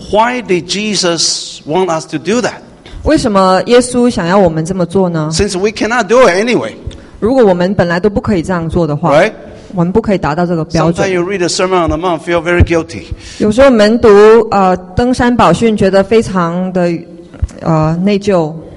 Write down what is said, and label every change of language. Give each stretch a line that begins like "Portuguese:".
English: why did Jesus want us to do that?
Chinese: 为什么耶稣想要我们这么做呢?
English: Since we cannot do it anyway.
Chinese: 如果我们本来都不可以这样做的话,
English: right?
Chinese: 我们不可以达到这个标准。
English: Sometimes you read a sermon on the mount, feel very guilty.
Chinese: 有时候我们读登山宝训觉得非常的内疚。